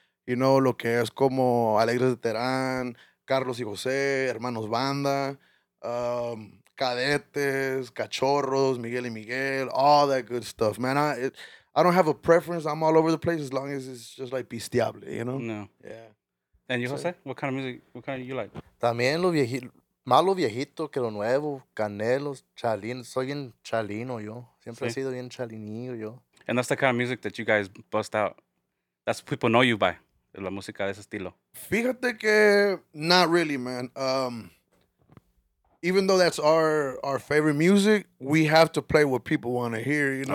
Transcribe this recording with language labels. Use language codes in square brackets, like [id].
[en] You know, [es] lo que es como [en] Alegres de Terán, Carlos y José, Hermanos Banda, Cadetes, Cachorros, Miguel y Miguel, all that good stuff, man. I don't have a preference. I'm all over the place as long as it's just like pisteable, you know? No. Yeah. And you, Jose, what kind of music, what kind of you like? [es] También lo viejito, más lo viejito que lo nuevo, Canelo, Chalino. Soy bien chalino yo. Siempre he sido bien chalinillo yo. [en] And that's the kind of music that you guys bust out. That's what people know you by, [es] la música de ese estilo. Fíjate que [en] not really, man. Even though that's our favorite music, we have to play what people want to hear, you know?